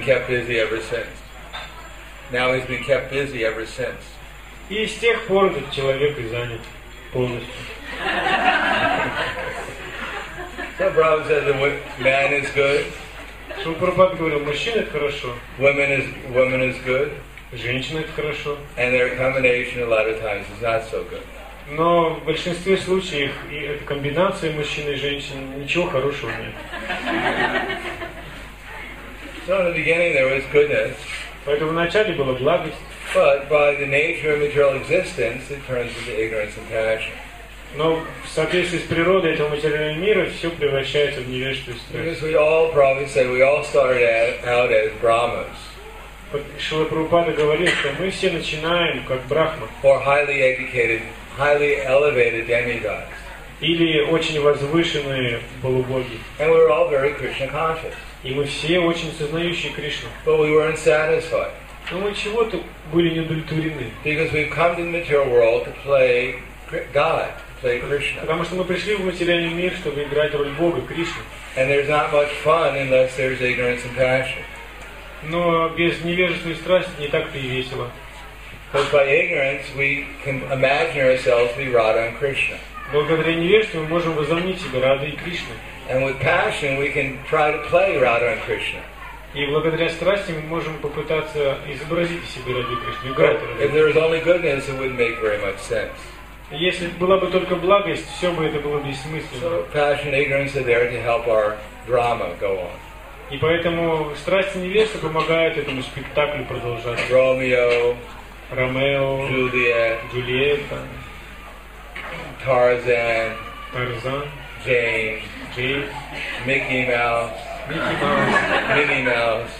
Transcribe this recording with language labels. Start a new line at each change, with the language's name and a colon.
English: And he's been kept busy ever since. Now he's been kept busy ever since.
Russian: И с тех пор этот человек и занят полностью.
English: So Prabhupada says that man is good.
Russian: Шрила Прабхупада говорил, мужчина это хорошо.
English: Woman is good.
Russian: Женщина это хорошо.
English: And their combination a lot of times is not so good.
Russian: Но в большинстве случаев и эта комбинация мужчины и женщины ничего хорошего нет.
English: So in the beginning there was goodness.
Russian: Поэтому вначале была благость.
English: But by the nature of material existence, it turns into ignorance and passion.
Russian: Но в соответствии с природой этого материального мира все превращается в невежество и страсть.
English: Because we all probably say we all started out as brahmas.
Russian: Шрила Прабхупада говорит, что мы все начинаем как брахма.
English: Or highly educated, highly elevated demigods.
Russian: Или очень возвышенные полубоги.
English: And we're all very Krishna conscious.
Russian: И мы все очень сознающие Кришну.
English: But we weren't satisfied.
Russian: Но мы чего-то были неудовлетворены.
English: Because we've come to the material world to play God, to play Krishna.
Russian: Потому что мы пришли в материальный мир, чтобы играть роль Бога, Кришны.
English: And there's not much fun unless there's ignorance and passion.
Russian: Но без невежества и страсти не так-то и весело.
English: Because by ignorance we can imagine ourselves to be Radha and Krishna.
Russian: Благодаря невежеству мы можем возомнить себя Радой и Кришной.
English: And with passion we can try to play Radha and Krishna.
Russian: И благодаря страсти мы можем попытаться изобразить себя Радой и Кришной, играть Радой.
English: If there was only goodness, it wouldn't make very much sense.
Russian: Если была бы только благость, все бы это было бессмысленно.
English: So passion, ignorance are there to help our drama go on.
Russian: И поэтому страсть и невеста помогают этому спектаклю продолжаться. Ромео, Джульетта, Тарзан, Джеймс, Микки Маус, Минни Маус.